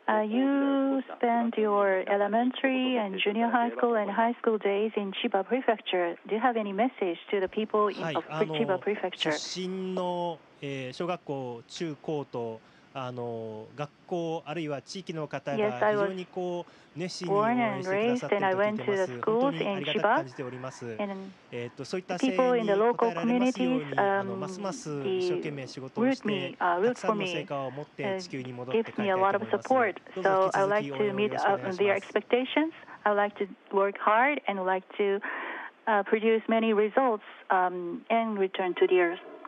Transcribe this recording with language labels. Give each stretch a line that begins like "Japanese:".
English: You spent your elementary and junior high school and high school days in Chiba Prefecture. Do you have any message to the people of Chiba Prefecture?
Japanese: 出身の小学校、中高と、あの学校あるいは地域の方が非常にこう熱心に応援してくださっていると聞いています。本当にありがたく感じております。そういった声援に応えられますように、あのますます一生懸命仕事をしてたくさんの成果を持って地球に戻って帰りたいと思います。どうぞ引き続き応援よろしくお願いします。
English: I would like to meet their expectations. I would like to work hard and would like to produce many results and return to the earth.